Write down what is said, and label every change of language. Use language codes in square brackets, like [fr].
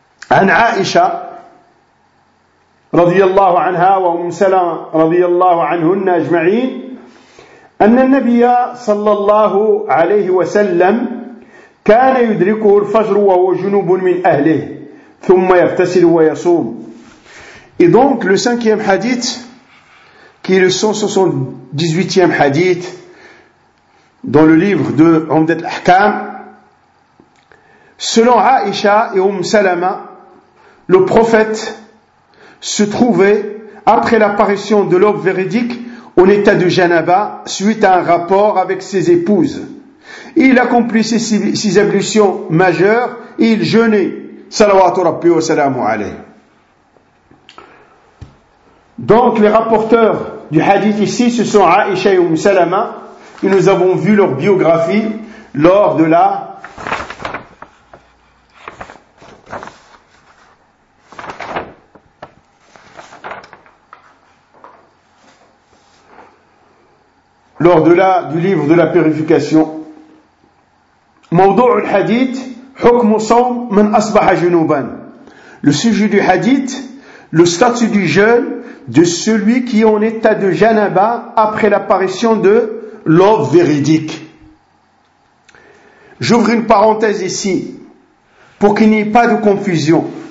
[ar] عن عائشة رضي الله عنها وأم سلمة رضي الله عنهن أجمعين أن النبي صلى الله عليه وسلم كان يدركه الفجر وهو جنوب من أهله ثم يغتسل ويصوم. [fr] Et donc le cinquième hadith, qui est le 178e hadith dans le livre de Umdat al-Ahkam, selon Aïcha et Umm Salama, le prophète se trouvait, après l'apparition de l'aube véridique, en état de janaba suite à un rapport avec ses épouses. Il accomplissait ses ablutions majeures et il jeûnait. [ar] Salawatu Rabbi wa salamu alayhi. [fr] Donc les rapporteurs du hadith ici, ce sont Aïcha et Umm Salama, et nous avons vu leur biographie lors de la du livre de la purification. [ar] موضوع الحديث حكم صوم من أصبح جنوبا. [fr] Le sujet du hadith, le statut du jeûne de celui qui est en état de janaba après l'apparition de l'aube véridique. J'ouvre une parenthèse ici pour qu'il n'y ait pas de confusion.